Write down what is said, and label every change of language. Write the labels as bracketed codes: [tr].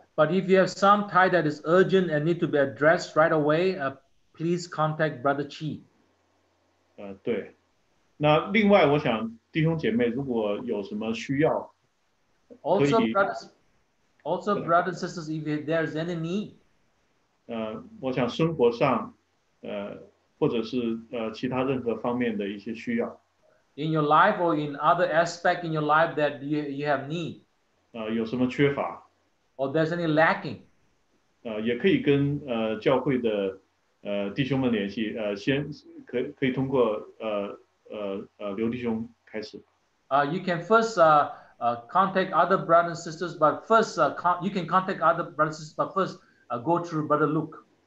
[en] But if you have some tithe that is urgent and need to be addressed right away, please contact Brother Chi. [zh] 对，那另外我想弟兄姐妹如果有什么需要。 [en] Also, brothers and sisters, if there's any need, [zh] 我想生活上, 或者是, 其他任何方面的一些需要, [en] in your life or in other aspect in your life that you have need, [zh] 有什么缺乏, [en] or there's any lacking, [zh] 也可以跟, 教会的, 弟兄们联系, 先可以通过, 刘弟兄开始。 [en] You can first, contact other brothers and sisters, but first, you can contact other brothers and sisters, but first, go through Brother Luke.